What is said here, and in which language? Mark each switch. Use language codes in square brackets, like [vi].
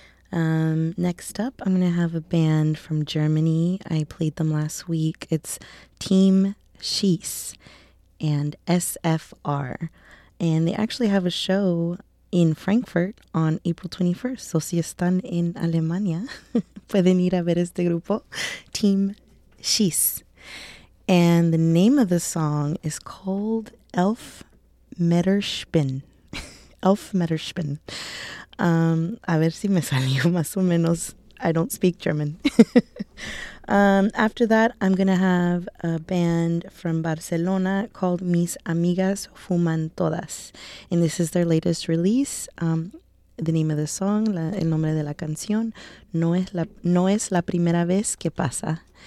[en] Next up, I'm going to have a band from Germany. I played them last week. It's Team Schieß and SFR. And they actually have a show in Frankfurt on April 21st. [es] So si están en Alemania, pueden ir a ver este grupo, Team Schieß. [en] And the name of the song is called Elfmeterspin. Elfmeterspin. [es] A ver si me salió más o menos. [en] I don't speak German. after that, I'm going to have a band from Barcelona called Mis Amigas Fuman Todas. And this is their latest release. The name of the song, [es] el nombre de la canción, [en] no es la primera vez que pasa.